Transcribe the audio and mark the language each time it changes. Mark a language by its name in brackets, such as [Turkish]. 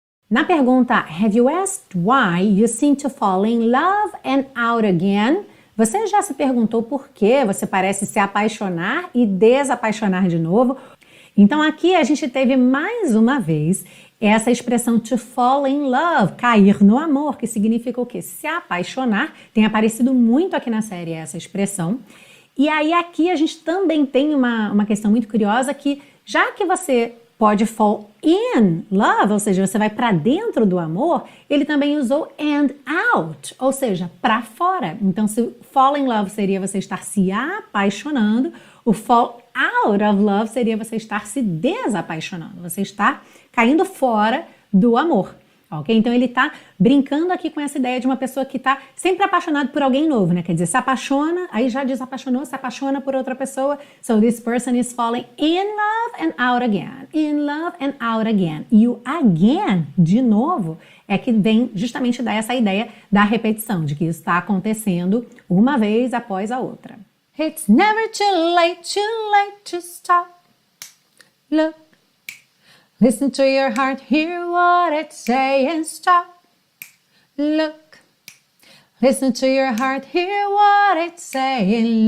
[Portuguese] Na pergunta, [English] have you asked why you seem to fall in love and out again? [Portuguese] Você já se perguntou por que você parece se apaixonar e desapaixonar de novo? Então aqui a gente teve mais uma vez essa expressão [English] to fall in love, [Portuguese] cair no amor, que significa o quê? Se apaixonar. Tem aparecido muito aqui na série essa expressão. E aí aqui a gente também tem uma questão muito curiosa que, já que você pode [English] fall in love, [Portuguese] ou seja, você vai para dentro do amor, ele também usou [English] and out, [Portuguese] ou seja, para fora. Então, se [English] fall in love [Portuguese] seria você estar se apaixonando, o [English] fall out of love [Portuguese] seria você estar se desapaixonando, você está caindo fora do amor, ok? Então, ele está brincando aqui com essa ideia de uma pessoa que está sempre apaixonada por alguém novo, né? Quer dizer, se apaixona, aí já desapaixonou, se apaixona por outra pessoa. [English] So, this person is falling in love and out again, in love and out again. [Portuguese] E o again, de novo, é que vem justamente dar essa ideia da repetição, de que isso está acontecendo uma vez após a outra. [English] It's never too late to stop. Look, listen to your heart, hear what it's saying. Stop, look, listen to your heart, hear what it's saying.